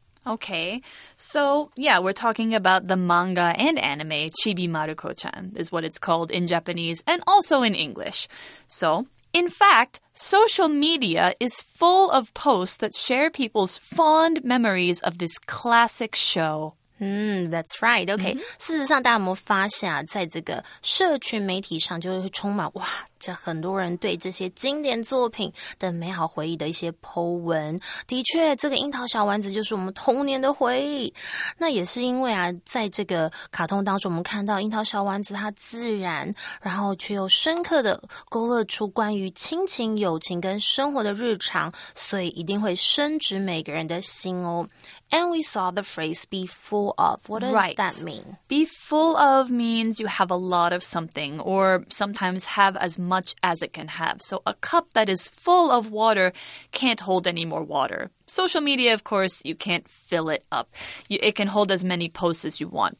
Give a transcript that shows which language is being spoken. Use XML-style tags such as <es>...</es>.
<en>OK, so yeah, we're talking about the manga and anime Chibi Maruko-chan is what it's called in Japanese and also in English. SoIn fact, social media is full of posts that share people's fond memories of this classic show. Mm, that's right. Okay. Mm-hmm.</en> <zh>事实上大家有没有发现啊，在这个社群媒体上就会充满，哇，这很多人对这些经典作品的美好回忆的一些 po 文。的确，这个樱桃小丸子就是我们童年的回忆。那也是因为啊，在这个卡通当中，我们看到樱桃小丸子它自然，然后却又深刻的勾勒出关于亲情、友情跟生活的日常，所以一定会深植每个人的心哦。</zh> <en>And we saw the phrase be full of. What does right. that mean? Be full of means you have a lot of something, or sometimes have as much as it can have. So a cup that is full of water can't hold any more water. Social media, of course, you can't fill it up. It can hold as many posts as you want.</en>